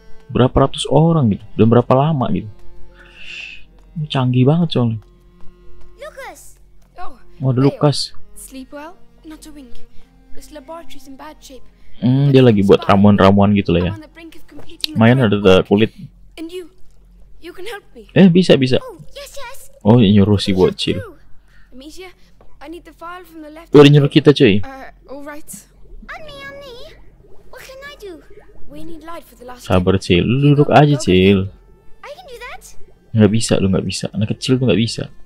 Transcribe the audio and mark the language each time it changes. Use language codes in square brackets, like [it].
[id] Berapa ratus orang gitu, dan berapa lama gitu? Ini canggih banget soalnya. Lucas. Oh, ada Lucas. [en] Sleep well, not a wink. This laboratory's in bad shape. [id] Dia lagi buat ramuan-ramuan gitu lah ya. Main ada the kulit. [en] You can help me. [id] Bisa. [en] Oh, yes. [id] Oh, nyuruh si bocil. [en] Amicia, I need the file from the left. [id] Udah nyuruh kita, cuy. [en] All right. Anni. What can I do? We need light for the last. [id] Sabar, Cil. Lu duduk aja, Cil. [en] I can do that. [id] Enggak bisa, lu enggak bisa. Anak kecil tuh enggak bisa.